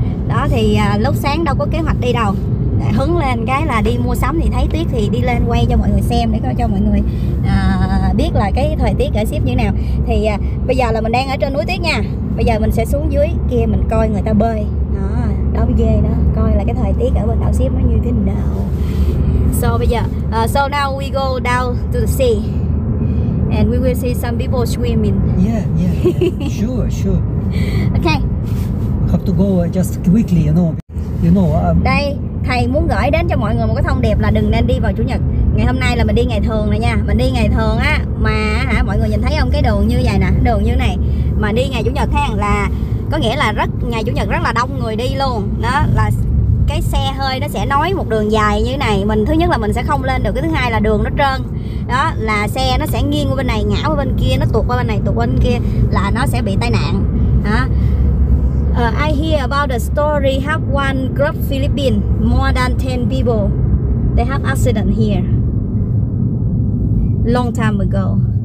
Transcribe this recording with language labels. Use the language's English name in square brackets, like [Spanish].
[Vietnamese] Đó thì lúc sáng đâu có kế hoạch đi đâu, hứng lên cái là đi mua sắm thì thấy tuyết thì đi lên quay cho mọi người xem để coi cho mọi người biết là cái thời tiết ở ship như thế nào. Thì bây giờ là mình đang ở trên núi tuyết nha, bây giờ mình sẽ xuống dưới kia mình coi người ta bơi. Đó về đó, coi là cái thời tiết ở bên đảo ship nó như thế nào. [English] So [Vietnamese] bây giờ [English] so now we go down to the sea and we will see some people swimming. Yeah, yeah, yeah. Sure, sure. Okay. We have to go just quickly, you know. [Vietnamese] Đây, thầy muốn gửi đến cho mọi người một cái thông điệp là đừng nên đi vào chủ nhật. Ngày hôm nay là mình đi ngày thường rồi nha. Mình đi ngày thường á mà hả mọi người nhìn thấy không, cái đường như vậy nè, đường như này mà đi ngày chủ nhật khác là có nghĩa là rất ngày chủ nhật rất là đông người đi luôn. Đó là cái xe hơi nó sẽ nối một đường dài như thế này, mình thứ nhất là mình sẽ không lên được, cái thứ hai là đường nó trơn, đó là xe nó sẽ nghiêng qua bên này ngã qua bên kia, nó tuột qua bên này tuột qua bên kia là nó sẽ bị tai nạn đó. [English] I hear about the story have one group Philippines more than 10 people they have accident here long time ago.